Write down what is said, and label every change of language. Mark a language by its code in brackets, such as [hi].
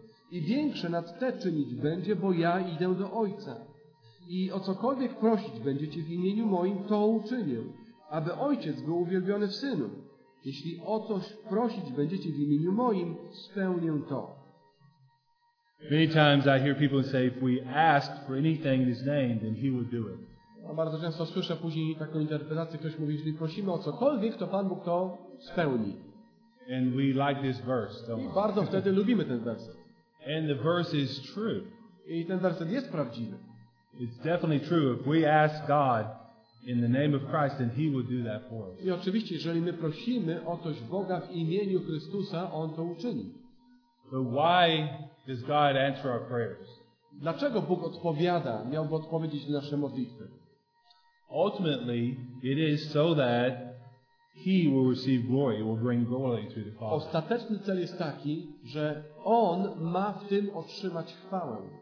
[pl] I większe nad te czynić będzie, bo ja idę do Ojca. I o cokolwiek prosić będziecie w imieniu moim, to uczynię, aby Ojciec był uwielbiony w Synu. Jeśli o coś prosić będziecie w imieniu moim, spełnię to. [en] Many times I hear people say, if we ask for anything in His name, then He will do it. [pl] Bardzo często słyszę później taką interpretację, ktoś mówi, jeżeli prosimy o cokolwiek, to Pan Bóg to spełni. [en] And we like this verse, don't we? [pl] I bardzo wtedy lubimy ten werset. [en] And the verse is true. [pl] I ten werset jest prawdziwy. [en] It's definitely true. If we ask God in the name of Christ, then He will do that for us. [pl] I oczywiście, jeżeli my prosimy o coś Boga w imieniu Chrystusa, On to uczyni. [en] But why does God answer our prayers? [pl] Dlaczego Bóg odpowiada, miałby odpowiedzieć na nasze modlitwy? [en] Ultimately, it is so that He will receive glory, will bring glory to the Father. [pl] Ostateczny cel jest taki, że On ma w tym otrzymać chwałę.